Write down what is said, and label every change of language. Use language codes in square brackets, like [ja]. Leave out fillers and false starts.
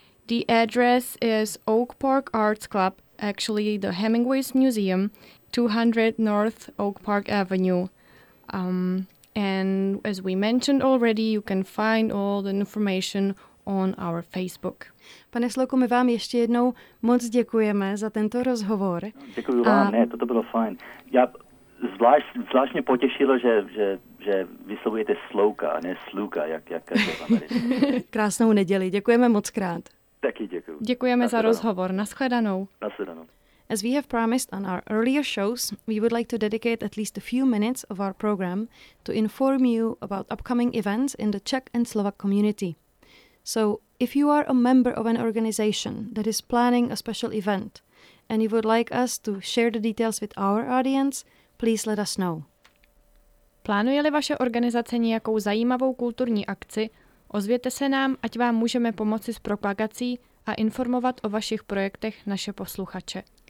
[en] The address is Oak Park Arts Club, actually the Hemingway's Museum, 200 North Oak Park Avenue. And as we mentioned already, you can find all the information on our Facebook. [cs] Pane Sloku, my vám ještě jednou moc děkujeme za tento rozhovor. Děkuji vám, to bylo fajn. Já zvláštně potěšilo, že vyslovujete Sloka, a ne Sluka, jak je v Americe. Krásnou neděli, děkujeme moc krát. Děkujeme za rozhovor. Naschledanou. [en] As we have promised on our earlier shows, we would like to dedicate at least a few minutes of our program to inform you about upcoming events in the Czech and Slovak community. So, if you are a member of an organization that is planning a special event and you would like us to share the details with our audience, please let us know. [cs] Plánuje-li vaše organizace nějakou zajímavou kulturní akci, ozvěte se nám, ať vám můžeme pomoci s propagací a informovat o vašich projektech naše posluchače.